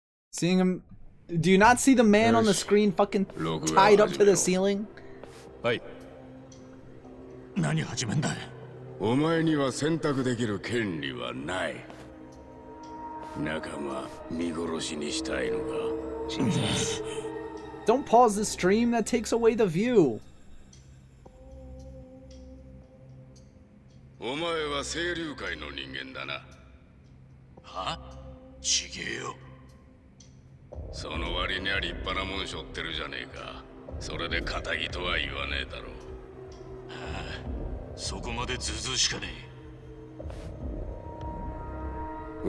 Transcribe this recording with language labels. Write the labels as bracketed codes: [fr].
[en] Seeing him, do you not see the man on the screen fucking tied up to the ceiling? [ja] はい。何始めんだい。お前には選択できる権利はない。仲間見殺しにしたいのか。 [en] Don't pause the stream, that takes away the view. [ja] お前は清流会の人間だな。は？ちげえよ。その割には立派なもんしょってるじゃねえか。それで仇とは言わねえだろう。はあ、そこまでズズしかねえ。